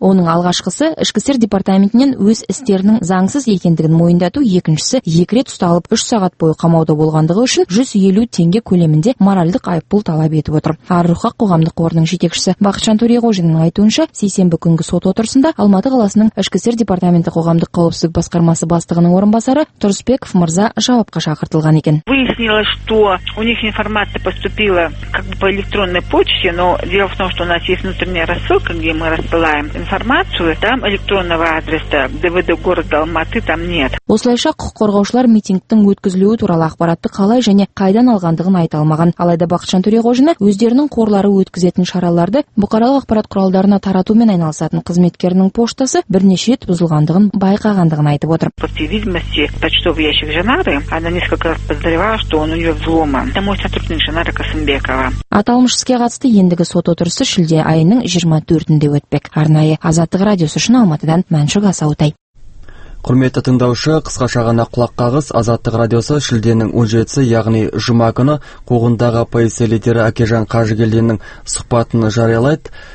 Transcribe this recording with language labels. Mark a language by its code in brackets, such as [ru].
[kk] Оның алғашқысы ішкі істер департаментінен өз істерін заңсыз екендігін мойындату, екіншісі екі рет ұсталып 3 сағат бойы қамауда болғандығы үшін 150 теңге көлемінде моральдық айыппұл талап етіп отыр. Ар Рух Хак қоғамдық қорының жетекшісі Бақытжан Төреғожиннің айтуынша, сейсенбі күнгі сот отырысында Алматы қаласының ішкі істер департаменті қоғамдық қауіпсіздік басқармасы бастығының орынбасары Тұрысбеков мырза жауапқа шақыртылған екен. [ru] Выяснилось, что у них информация поступила как бы по электронной почте, но дело в том, что у нас есть внутренняя рассылка, где мы рассылаем информацию, там электронного адреса ДВД города Алматы там нет. [kk] Осылайша құқық қорғаушылар митингтің өткізілуі туралы ақпаратты қалай және қайдан алғандығын айта алмаған. Алайда Бақытжан Төреғожина өздерінің қорлары өткізетін шараларды бұқаралық ақпарат құралдарына таратумен айналысатын қызметкерінің поштасы бірнеше рет бұзылғандығын байқағандығын айтып отыр. [ru] Видимости почтовый ящик Жанары, она несколько раз подозревала, что он у неё взломан. Это мой сотрудник Жанара Касымбекова. [kk] Аталмыш іске қатысты ендігі сот отырысы шілде айының 24-інде өтпек. Арнайы Азаттық радиосы үшін Алматыдан Мәншүк Асаутай. Құрметті тыңдаушы, қысқаша ғана құлақ қағыз, Азаттық радиосы шілденің 17-сі, яғни жұма күні қоғындағы полиция лидері Әкежан Қажыгелдиннің сұхбатын жариялайды.